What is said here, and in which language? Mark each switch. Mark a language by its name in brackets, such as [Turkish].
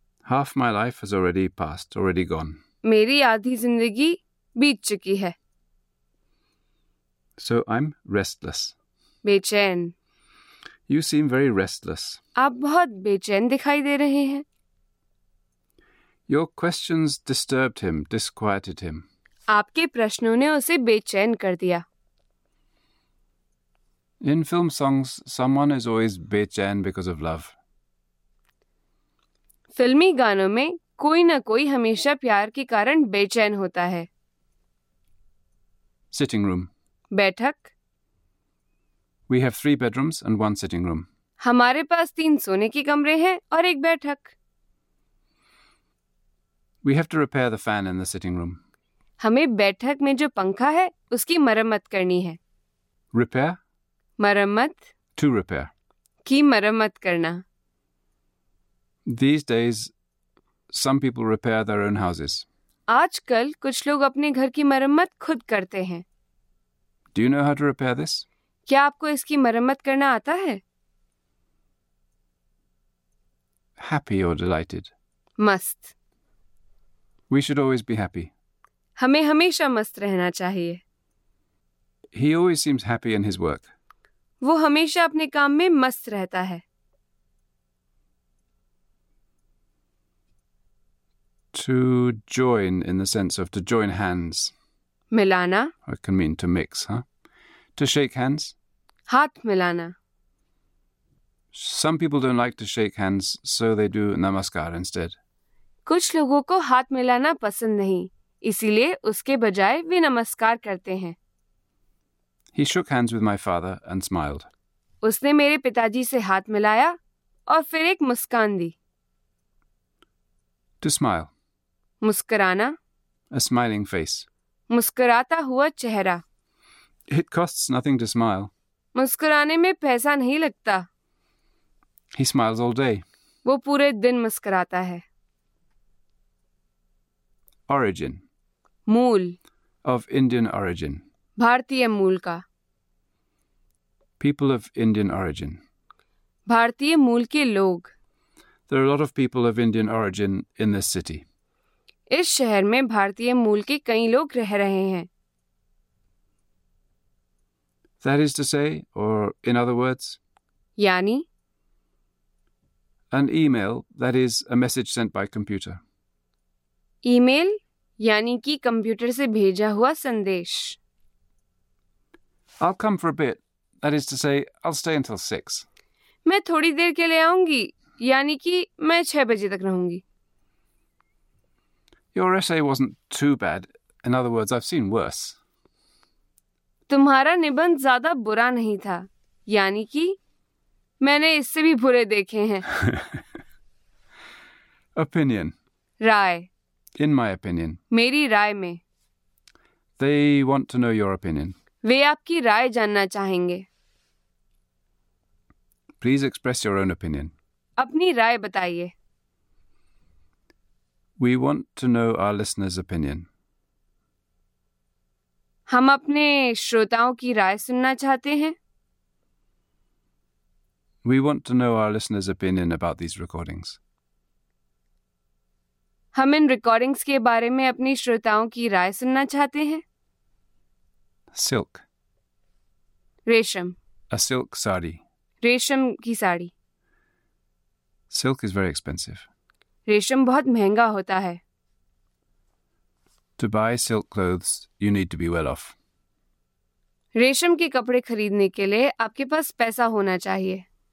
[English] Half my life has already passed, already gone. [Hindi] मेरी आधी जिंदगी बीत चुकी है. [English] So I'm restless. [Hindi] बेचैन. [English] You seem very restless. [Hindi] आप बहुत बेचैन दिखाई दे रहे हैं. [English] Your questions disturbed him, disquieted him. [Hindi] आपके प्रश्नों ने उसे बेचैन कर दिया. [English] In film songs, someone is always बेचैन because of love. [Hindi] फिल्मी गानों में कोई ना कोई हमेशा प्यार के कारण बेचैन होता है. [English] Sitting room. [Hindi] बैठक. [English] We have three bedrooms and one sitting room. [Hindi] हमारे पास तीन सोने के कमरे हैं और एक बैठक. [English] We have to repair the fan in the sitting room. [Hindi] हमें बैठक में जो पंखा है उसकी मरम्मत करनी है. [English] Repair? [Hindi] मरम्मत. [English] To repair. [Hindi] की मरम्मत करना. [English] These days, some people repair their own houses. [Hindi] आजकल कुछ लोग अपने घर की मरम्मत खुद करते हैं. [English] Do you know how to repair this? [Hindi] क्या आपको इसकी मरम्मत करना आता है? [English] Happy or delighted? [Hindi] मस्त. [English] We should always be happy. [Hindi] हमें हमेशा मस्त रहना चाहिए. [English] He always seems happy in his work. [Hindi] वो हमेशा अपने काम में मस्त रहता है. [English] To join in the sense of to join hands. [Hindi] मिलाना. [English] I can mean to mix, huh? To shake hands. [Hindi] हाथ मिलाना. [English] Some people don't like to shake hands, so they do namaskar instead. [Hindi] कुछ लोगों को हाथ मिलाना पसंद नहीं, इसीलिए उसके बजाय वे नमस्कार करते हैं. [English] He shook hands with my father and smiled. [Hindi] उसने मेरे पिताजी से हाथ मिलाया और फिर एक मुस्कान दी. [English] To smile. [Hindi] मुस्कराना. [English] A smiling face. [Hindi] मुस्कराता हुआ चेहरा. [English] It costs nothing to smile. [Hindi] मुस्कराने में पैसा नहीं लगता. [English] He smiles all day. [Hindi] वो पूरे दिन मुस्कराता है. [English] Origin. [Hindi] मूल. [English] Of Indian origin. [Hindi] भारतीय मूल का. [English] People of Indian origin. [Hindi] भारतीय मूल के लोग. [English] There are a lot of people of Indian origin in this city. [Hindi] इस शहर में भारतीय मूल के कई लोग रह रहे हैं. [English] That is to say, or in other words, [Hindi] यानी [English] an email, that is a message sent by computer. [Hindi] Email यानी कि कंप्यूटर से भेजा हुआ संदेश. [English] I'll come for a bit, that is to say, I'll stay until 6. [Hindi] मैं थोड़ी देर के लिए आऊंगी, यानी कि मैं 6 बजे तक रहूंगी. [English] Your essay wasn't too bad. In other words, I've seen worse. [Hindi] तुम्हारा निबंध ज्यादा बुरा नहीं था, यानी कि मैंने इससे भी बुरे देखे हैं. [English] Opinion. [Hindi] Rai. [English] In my opinion. [Hindi] मेरी राय में. [English] They want to know your opinion. [Hindi] वे आपकी राय जानना चाहेंगे. [English] Please express your own opinion. [Hindi] अपनी राय बताइए. [English] We want to know our listeners' opinion. [Hindi] हम अपने श्रोताओं की राय सुनना चाहते हैं. [English] We want to know our listeners' opinion about these recordings. [Hindi] हम इन रिकॉर्डिंग्स के बारे में अपनी श्रोताओं की राय सुनना चाहते हैं. [English] Silk. [Hindi] रेशम. [English] A silk saree. [Hindi] रेशम की sari. [English] Silk is very expensive. [Hindi] रेशम बहुत महंगा होता है. [English] To buy silk clothes, you need to be well off. [Hindi] रेशम के कपड़े खरीदने के लिए आपके पास पैसा होना चाहिए.